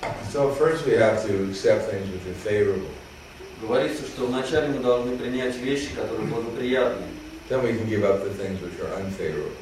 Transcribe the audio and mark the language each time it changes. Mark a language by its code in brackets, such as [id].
[en] So first we have to accept things which are favorable. [ru] Говорится, что вначале мы должны принять вещи, которые благоприятны. [en] Then we can give up the things which are unfavorable.